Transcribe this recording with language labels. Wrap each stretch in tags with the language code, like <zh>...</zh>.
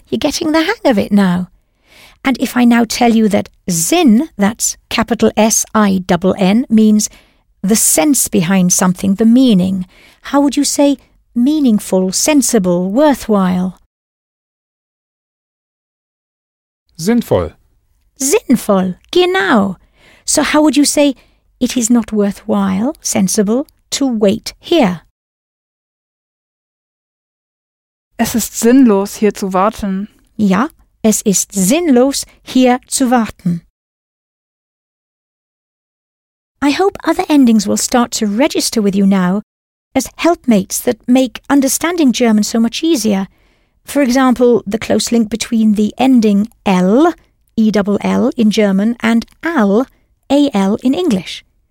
<en>You're getting the hang of it now. And if I now tell you that Sinn, that's capital S-I-N-N, means the sense behind something, the meaning, how would you say meaningful, sensible, worthwhile?</en> <de>Sinnvoll. Sinnvoll, genau.</de> <en>So how would you say it is not worthwhile, sensible, to wait here?</en> <de>Es ist sinnlos, hier zu warten. Ja, es ist sinnlos, hier zu warten.</de> <en>I hope other endings will start to register with you now as helpmates that make understanding German so much easier. For example, the close link between the ending L, E-double-L in German, and AL, A-L in English.</en>